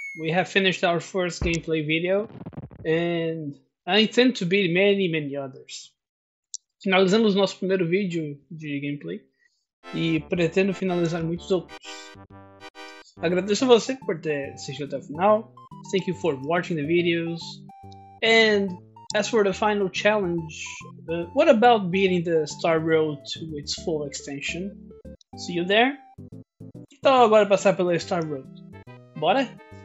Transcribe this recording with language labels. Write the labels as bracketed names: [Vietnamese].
[English] We have finished our first gameplay video, and I intend to beat many, many others. [Portuguese] Finalizamos nosso primeiro vídeo de gameplay, e pretendo finalizar muitos outros. Agradeço a você por ter assistido até o final. [English] Thank you for watching the videos. And as for the final challenge, what about beating the Star Road to its full extension? See you there. [Portuguese] Então agora passar pela Star Road. Bora?